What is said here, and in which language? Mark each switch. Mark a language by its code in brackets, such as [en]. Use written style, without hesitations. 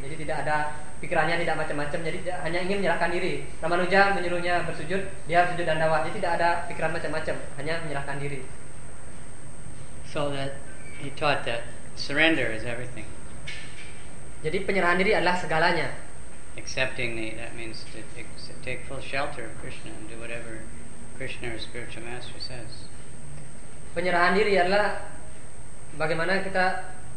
[id] Jadi tidak ada pikirannya, tidak macam-macam. Jadi hanya ingin menyerahkan diri. Ramanuja menyuruhnya bersujud, dia sujud dan dawat. Jadi tidak ada pikiran macam-macam, hanya menyerahkan diri. [en] So that he taught that surrender is everything. [id] Jadi penyerahan diri adalah segalanya. [en] Accepting the, that means to take full shelter of Krishna and do whatever Krishna or spiritual master says. [id] Penyerahan diri adalah bagaimana kita